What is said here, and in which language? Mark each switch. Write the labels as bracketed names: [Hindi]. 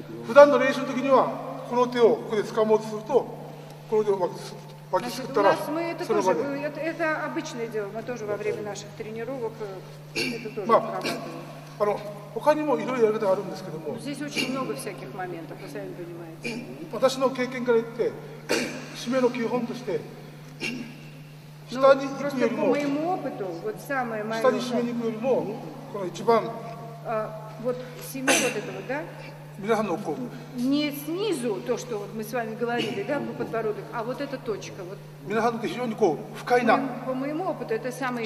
[Russian] В данном рейсе, когда мы будем скамоваться, то мы будем... Значит, у нас мы это тоже, это обычное дело, мы тоже во время наших тренировок это тоже прорабатываем. Здесь очень много всяких моментов, вы сами понимаете. [Japanese] 私の経験から言って、締めの基本として、下に行くよりも、 [Russian] просто по моему опыту, вот самое мое... [Japanese] 下に締めに行くよりも、この一番、 [Russian] вот семи вот этого, да? Не снизу то, что вот мы с вами говорили, да, по подбородок, а вот эта точка. Вот. По моему опыту, это самое